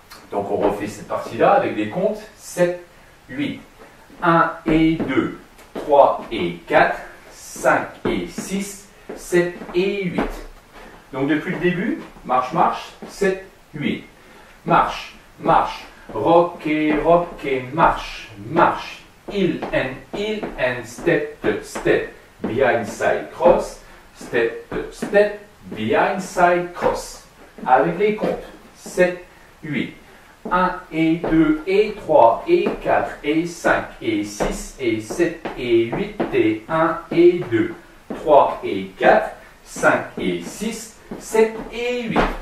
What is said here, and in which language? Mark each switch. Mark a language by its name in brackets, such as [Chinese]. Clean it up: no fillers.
[French] Donc on refait cette partie-là avec des comptes, 7, 8, 1 et 2, 3 et 4, 5 et 6, 7 et 8. Donc depuis le début, marche, marche, 7, 8, marche, marche, rock et marche, marche. [English] Heel and step to step, behind side cross, step to step, behind side cross. [French] Avec les comptes, 7, 8, 1 et 2 et 3 et 4 et 5 et 6 et 7 et 8 et 1 et 2, 3 et 4, 5 et 6, 7 et 8.